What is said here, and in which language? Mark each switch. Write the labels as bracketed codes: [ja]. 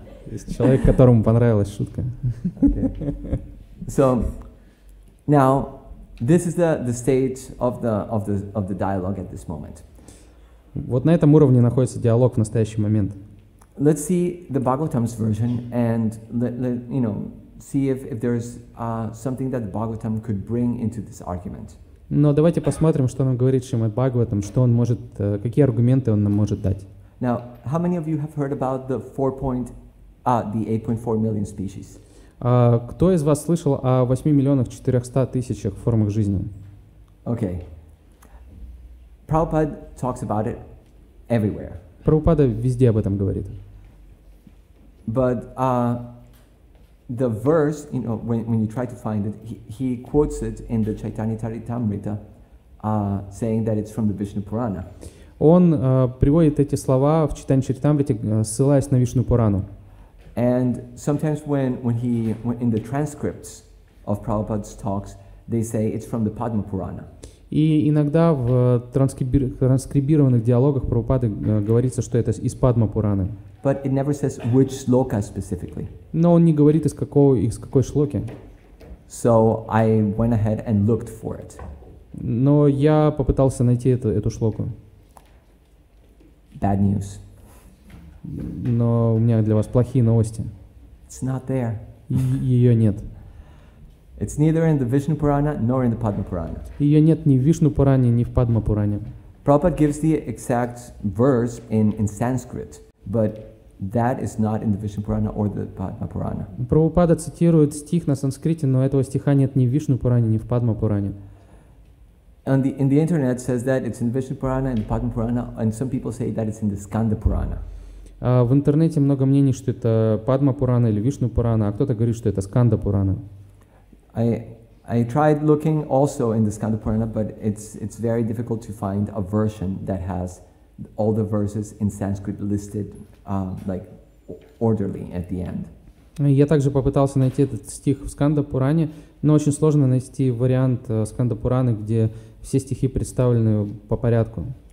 [ru] Есть человек, которому понравилась шутка. [en] So now this is the state of the dialogue at this moment. [ru] Вот на этом уровне находится диалог в настоящий момент. [en] Let's see the Bhagavatam's version and see if there's something that Bhagavatam could bring into this argument. [ru] Но давайте посмотрим, что нам говорит Шримад Бхагаватам, что он может, какие аргументы он нам может дать. [en] Now, how many of you have heard about the 8.4 million species? [ru] Кто из вас слышал о 8,400,000 формах жизни? [en] Okay. Prabhupada talks about it everywhere. [ru] Прабхупада везде об этом говорит. [en] But the verse, you know, when you try to find it, he quotes it in the Chaitanya Charitamrita, saying that it's from the Vishnu Purana. [ru] Он приводит эти слова в Чайтанья Чаритамрите, ссылаясь на Вишну Пурану. [en] And sometimes when in the transcripts of Prabhupada's talks, they say it's from the Padma Purana. [ru] И иногда в транскрибированных диалогах Прабхупады говорится, что это из Падма Пураны. [en] But it never says which shloka specifically. [ru] Но он не говорит из какой шлоки. [en] So I went ahead and looked for it. [ru] Но я попытался найти эту шлоку. [en] Bad news. [ru] Но у меня для вас плохие новости. [en] It's not there. [ru] Ее нет. [en] It's neither in the Vishnu Purana nor in the Padma Purana. [ru] Ее нет ни в Вишну Пуране, ни в Падма Пуране. [en] Prabhupada gives the exact verse in Sanskrit, but that is not in the Vishnu Purana or the Padma Purana. [ru] Прабхупада цитирует стих на санскрите, но этого стиха нет ни в Вишну Пуране, ни в Падма Пуране. [en] And the internet says that it's in Vishnu Purana and Padma Purana, and some people say that it's in the Skanda Purana. [ru] В интернете много мнений, что это Падма Пурана или Вишну Пурана, а кто-то говорит, что это Сканда Пурана. [en] I tried looking also in the Skanda Purana, but it's very difficult to find a version that has all the verses in Sanskrit listed like orderly at the end. [ru] Я также попытался найти этот стих в Сканда Пуране, но очень сложно найти вариант Сканда Пураны, где все стихи представлены по порядку.